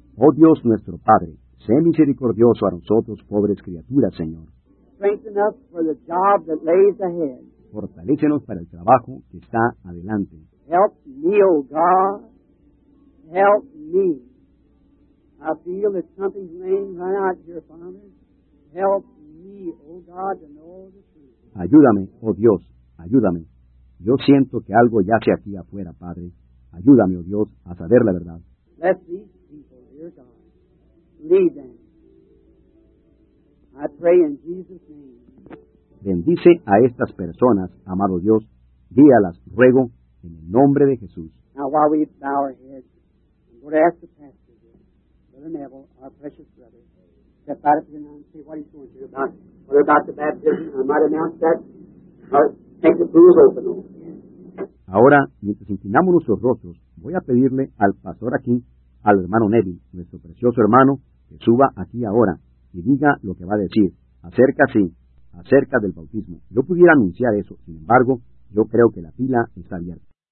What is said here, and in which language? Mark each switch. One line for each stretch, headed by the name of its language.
Spanish: Oh Dios, nuestro Padre, sé misericordioso a nosotros pobres criaturas, Señor.
English: Strengthen us for the job that lays ahead.
Spanish: Fortalécenos para el trabajo que está adelante.
English: Help me, oh God. Help me. I feel that something's laying right out here, Father. Help me, oh God, to know the truth.
Spanish: Ayúdame, oh Dios, ayúdame. Yo siento que algo yace aquí afuera, Padre. Ayúdame, oh Dios, a saber la verdad.
English: Let these people, dear God, lead them. I pray in Jesus' name.
Spanish: Bendice a estas personas, amado Dios. Guíalas, ruego, en el nombre de Jesús.
English: Now while we bow our heads, I'm going to ask the pastor here, Brother Neville, our precious brother, step out of the room and say what he's going to do about what about the baptism. I might announce that.
Spanish: Ahora, mientras inclinamos nuestros rostros, voy a pedirle al pastor aquí, al hermano Neville, nuestro precioso hermano, que suba aquí ahora y diga lo que va a decir acerca, sí, acerca del bautismo. Yo pudiera anunciar eso, sin embargo, yo creo que la fila está abierta.